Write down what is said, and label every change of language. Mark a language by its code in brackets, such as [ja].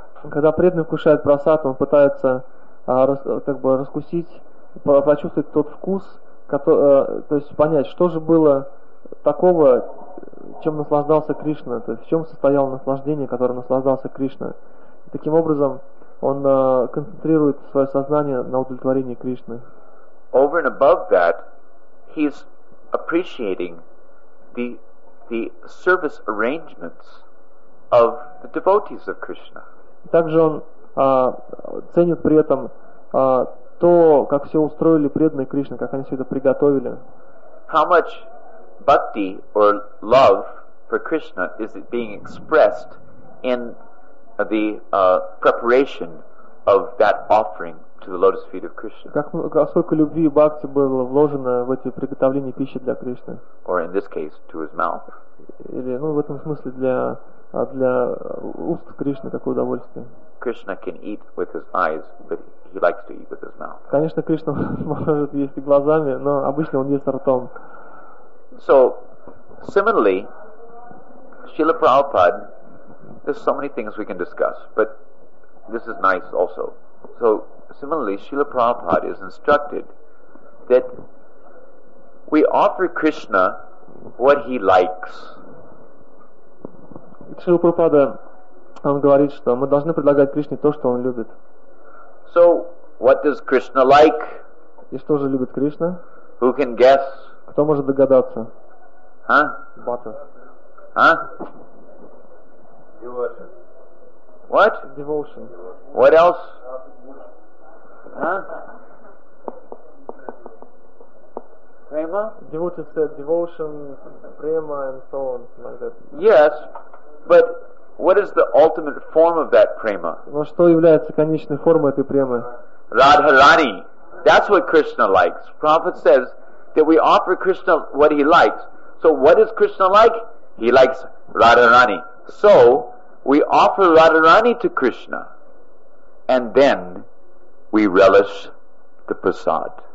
[ru] Когда преданный кушает прасад, он пытается раскусить, почувствовать тот вкус, то есть понять, что же было такого, чем наслаждался Кришна, то есть в чем состояло наслаждение, которое наслаждался Кришна. Таким образом, он концентрирует свое сознание на удовлетворении Кришны. [en] Over and above that, he's appreciating the service arrangements of the devotees of Krishna. [ru] Также он ценит при этом то, как все устроили преданные Кришны, как они все это приготовили. [en] How much bhakti or love for Krishna is it being expressed in the preparation of that offering to the lotus feet of Krishna? [ru] Сколько любви и бхакти было вложено в эти приготовления пищи для Кришны? [en] Or in this case, to his mouth. [ru] Или, ну, в этом смысле для уст Кришны такое удовольствие. [en] Krishna can eat with his eyes, but he likes to eat with his mouth. [ru] Конечно, Кришна может есть глазами, но обычно он ест ртом. [en] So, similarly, Srila Prabhupada, there's so many things we can discuss, but this is nice also. So, similarly, Srila Prabhupada is instructed that we offer Krishna what he likes. [ru] Srila Prabhupada, он говорит, что мы должны предлагать Кришне то, что он любит. [en] So, what does Krishna like? [ru] И что же любит Кришна? [en] Who can guess? [ru] Кто может догадаться? Huh? [en] Butter. Huh? Devotion. What? Devotion. What else? Huh? Prema? Devotion said devotion, prema, and so on, like that. Yes, but what is the ultimate form of that prema? Но что является конечной формой этой премы? Radharani. That's what Krishna likes. Prabhupada says that we offer Krishna what he likes. So what does Krishna like? He likes Radharani. So we offer Radharani to Krishna, and then we relish the prasad.